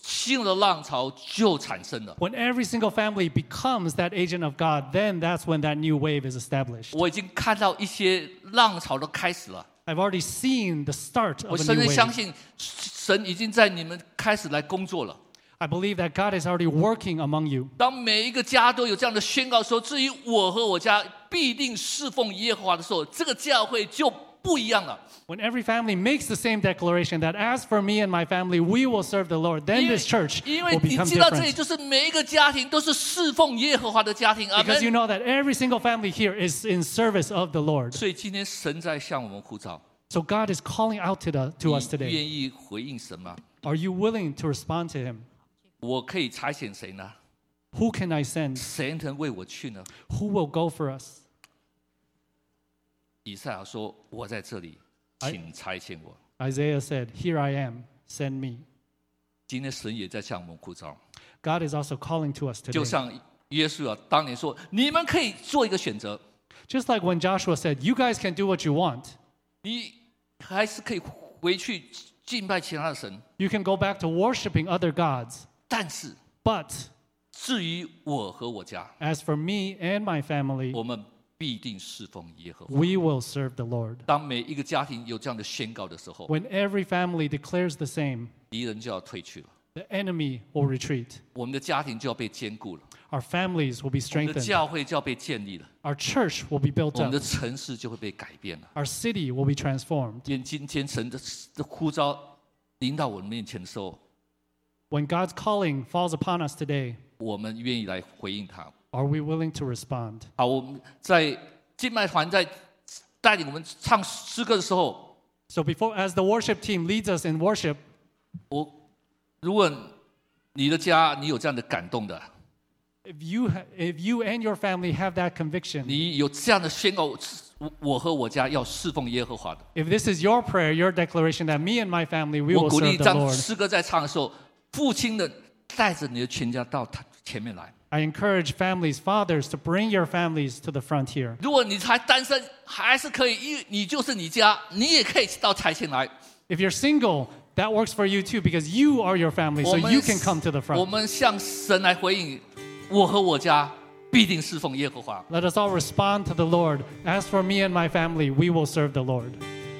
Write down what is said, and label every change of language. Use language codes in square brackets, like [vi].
[en] When every single family becomes that agent of God, then that's when that new wave is established. [zh] 我已经看到一些浪潮都开始了。 [en] I've already seen the start of a new wave. [zh] 我深深相信神已经在你们开始来工作了。 [en] I believe that God is already working among you. [zh] 当每一个家都有这样的宣告说，至于我和我家必定侍奉耶和华的时候，这个教会就不一样了。 [en] When every family makes the same declaration that as for me and my family, we will serve the Lord, then this church will become different. Because you know that every single family here is in service of the Lord. So God is calling out to us today. Are you willing to respond to Him? Who can I send? Who will go for us? [zh] 以赛亚说：“我在这里。” 请差遣我。 [en] Isaiah said, "Here I am, send me." [zh] 今天神也在向我们呼召。 [en] God is also calling to us today. [zh] 就像耶稣啊，当年说，你们可以做一个选择。 [en] Just like when Joshua said, "You guys can do what you want." [zh] 你还是可以回去敬拜其他的神。 [en] You can go back to worshiping other gods. [zh] 但是 [en] ，But [zh] 至于我和我家 [en] ，As for me and my family, [zh] 我们。必定侍奉耶和华。 [en] We will serve the Lord. [zh] 当每一个家庭有这样的宣告的时候 [en] ，When every family declares the same, [zh] 敌人就要退去了。 [en] The enemy will retreat. [zh] 我们的家庭就要被坚固了。 [en] Our families will be strengthened. [zh] 我们的教会就要被建立了。 [en] Our church will be built up. [zh] 我们的城市就会被改变了。 [en] Our city will be transformed. [zh] 今天神的呼召临到我们面前的时候， [en] When God's calling falls upon us today, [zh] 我们愿意来回应他。 [en] Are we willing to respond? [zh] 好，我们在敬拜团在带领我们唱诗歌的时候。 [en] So before, as the worship team leads us in worship, [zh] 我如果你的家你有这样的感动的。 [en] If you and your family have that conviction, [zh] 你有这样的宣告，我和我家要侍奉耶和华的。 [en] If this is your prayer, your declaration that me and my family we will serve the Lord. [zh] 我鼓励当诗歌在唱的时候，父亲的带着你的全家到他前面来。 [en] I encourage families, fathers, to bring your families to the front here. [zh] 如果你还单身，还是可以，你就是你家，你也可以到台前来。 [en] If you're single. That works for you too because you are your family, so you can come to the front. [zh] 我们向神来回应，我和我家必定侍奉耶和华。 [en] Let us all respond to the Lord. As for me and my family, we will serve the Lord.